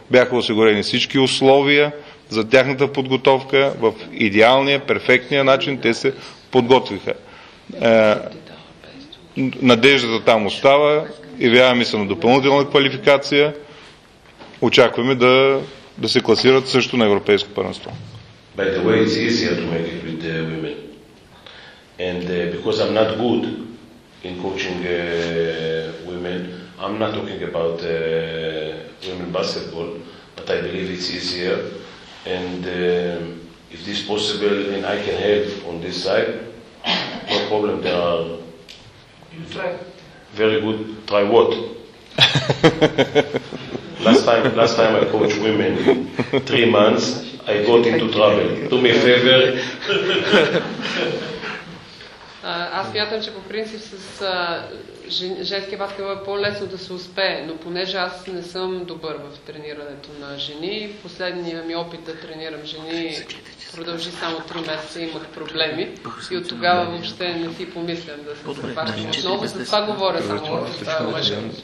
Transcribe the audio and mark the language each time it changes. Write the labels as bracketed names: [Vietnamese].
[Bulgarian] Бяха осигурени всички условия за тяхната подготовка в идеалния, перфектния начин. Те се подготвиха. Надеждата там остава. Явяваме се на допълнителна квалификация. Очакваме да се класират също на европейско първенство. [English] By the way, it's easier to make it with the women. And because I'm not good in coaching women, I'm not talking about women basketball, but I believe it's easier. And if this is possible and I can help on this side, no problem, there are... You try. Very good. Try what? Last time I coached women, 3 months, I got into trouble. Do me a favor. [Bulgarian] Аз смятам, че по принцип с женския баскетбол е по-лесно да се успее, но понеже аз не съм добър в тренирането на жени, последния ми опит да тренирам жени продължи само 3 месеца, имах проблеми и от тогава въобще не си помислям да се запаркам отново, за това говоря само за това мъжка.